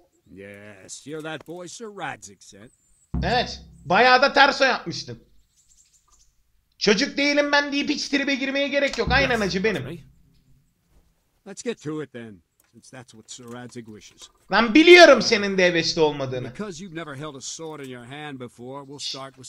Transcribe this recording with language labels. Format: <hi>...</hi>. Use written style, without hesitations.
<en>Yes, you're that boy Sir Radzik sent.</en> <tr>Evet, bayağı da terso yapmıştın. Çocuk değilim ben deyip hiç tribe girmeye gerek yok. Aynen acı benim.</tr> <en>Let's get to it then. Since that's what Sir Radzik wishes.</en> <tr>Ben biliyorum senin de hevesli olmadığını.</tr> <en>Because you've never held a sword in your hand before, we'll start with</en>